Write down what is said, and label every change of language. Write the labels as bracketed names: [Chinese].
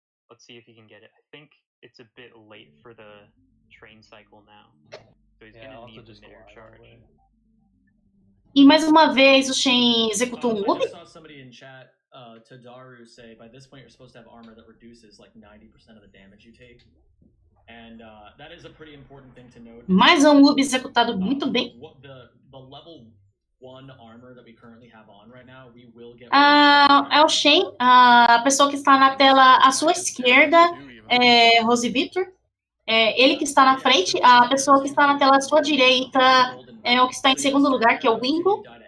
[English] Let's see if he can get it. I think it's a bit late for the train cycle now. So he's gonna need the mirror charge. [Portuguese] E mais uma vez o Shen executou um loop. [English] I saw somebody in chat, Tadaru, say by this point you're supposed to have armor that reduces like 90% of the damage you take. And that is a pretty important thing to note. [Portuguese] Mais um loop executado muito bem. [English] The level one armor that we currently have on right now, we will get [Portuguese] É o Shen, a pessoa que está na tela à sua esquerda, Rose Victor. Ele que está na frente, a pessoa que está na tela à sua direita, o que está em segundo lugar, que é o Wingle.